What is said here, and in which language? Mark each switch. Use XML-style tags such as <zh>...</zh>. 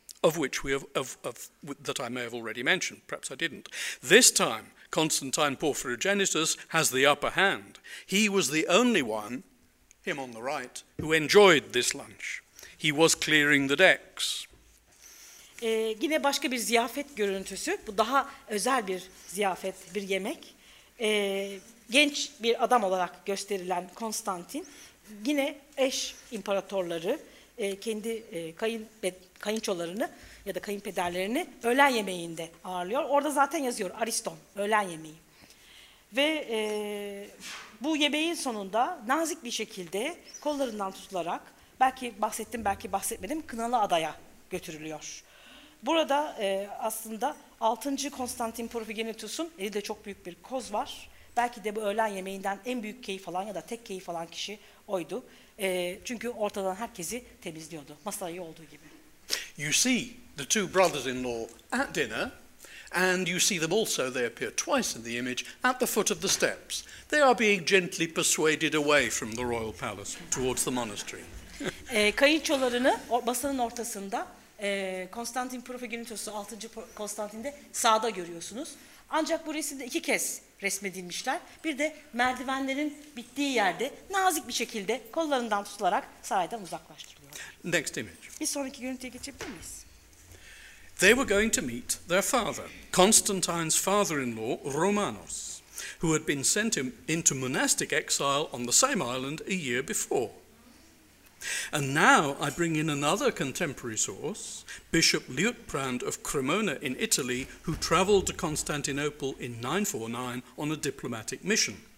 <en>Of which we have, that I may have already mentioned, perhaps I didn't. This time, Constantine Porphyrogenitus has the upper hand. He was the only one, him on the right, who enjoyed this lunch. He was clearing the decks.</en> <tr>Yine başka bir ziyafet görüntüsü. Bu daha özel bir ziyafet, bir yemek. Genç bir adam olarak gösterilen Konstantin, yine eş imparatorları, kendi kayınçolarını ya da kayınpederlerini öğlen yemeğinde ağırlıyor. Orada zaten yazıyor Ariston, öğlen yemeği. Ve bu yemeğin sonunda nazik bir şekilde kollarından tutularak, belki bahsettim, belki bahsetmedim, Kınalı Adaya götürülüyor. Burada aslında 6. Konstantin Porphyrogenitus'un, elinde çok büyük bir koz var. Belki de bu öğlen yemeğinden en büyük keyif alan ya da tek keyif alan kişi oydu. Çünkü ortadan herkesi temizliyordu. Masayı olduğu gibi.</tr> <en>You see the two brothers-in-law at dinner, and you see them also, they appear twice in the image, at the foot of the steps. They are being gently persuaded away from the royal palace towards the monastery.</en> <tr>Kayınçolarını masanın ortasında, Konstantin Profigenitos'u 6. Konstantin'de sağda görüyorsunuz. Ancak bu resimde iki kez resmedilmişler. Bir de merdivenlerin bittiği yerde nazik bir şekilde kollarından tutularak saraydan uzaklaştırılıyor.</tr> <en>Next image.</en> <tr>Bir sonraki görüntüye geçebilir miyiz?</tr> <en>They were going to meet their father, Constantine's father-in-law, Romanos, who had been sent into monastic exile on the same island a year before. And now I bring in another contemporary source, Bishop Liutprand of Cremona in Italy, who travelled to Constantinople in 949 on a diplomatic mission.</en>